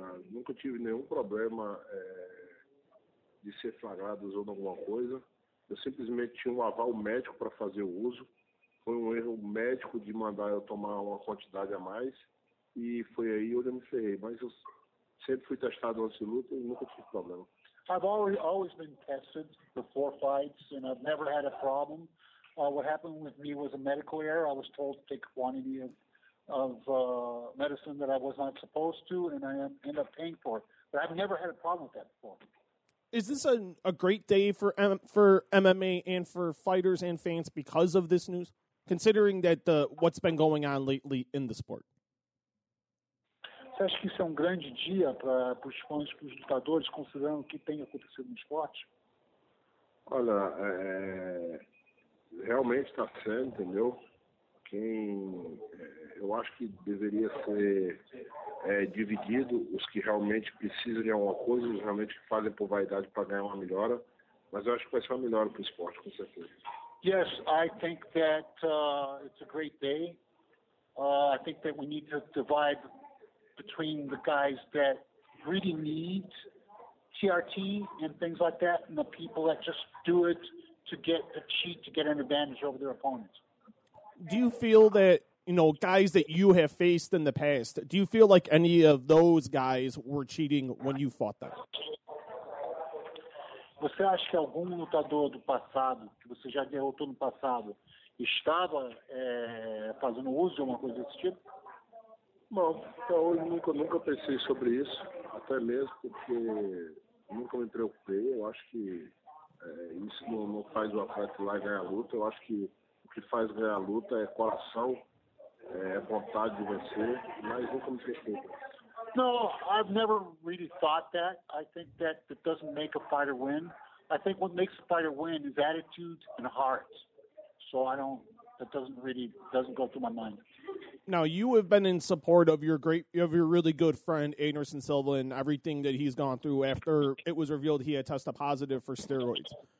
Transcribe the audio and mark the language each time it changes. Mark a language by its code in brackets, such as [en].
[pt] Nunca tive nenhum problema de ser flagrado usando alguma coisa. Eu simplesmente tinha um aval médico para fazer o uso. Foi um erro médico de mandar eu tomar uma quantidade a mais. E foi aí onde eu me ferrei. Mas eu sempre fui testado antes de luta e nunca tive problema. [en] I've always been tested before fights, and I've never had a problem. What happened with me was a medical error. I was told to take a quantity of medicine that I was not supposed to, and I end up paying for it. But I've never had a problem with that before. Is this a great day for MMA and for fighters and fans because of this news, considering that what's been going on lately in the sport? [pt] Você acha que isso é um grande dia para os fãs, para os lutadores, considerando o que tem acontecido no esporte? Olha, realmente está sendo, entendeu? Eu acho que deveria ser dividido, os que realmente precisam de alguma coisa, os realmente que fazem por vaidade para ganhar uma melhora, mas eu acho que vai ser uma melhora para o esporte, com certeza. [en] Yes, I think that it's a great day. I think that we need to divide between the guys that really need TRT and things like that and the people that just do it to get a cheat, to get an advantage over their opponents. Do you feel that, you know, guys that you have faced in the past, do you feel like any of those guys were cheating when you fought them? [pt] Você acha que algum lutador do passado, que você já derrotou no passado, estava fazendo uso de alguma coisa desse tipo? Não, eu nunca pensei sobre isso, até mesmo porque nunca me preocupei. Eu acho que isso não faz o atleta ir lá e ganhar a luta. Eu acho que o que faz ganhar a luta é coração, é vontade de vencer, mas nunca me preocupei. [en] No, I've never really thought that. I think that it doesn't make a fighter win. I think what makes a fighter win is attitude and heart. So I don't, that doesn't go through my mind. Now, you have been in support of your really good friend, Anderson Silva, and everything that he's gone through after it was revealed he had tested positive for steroids.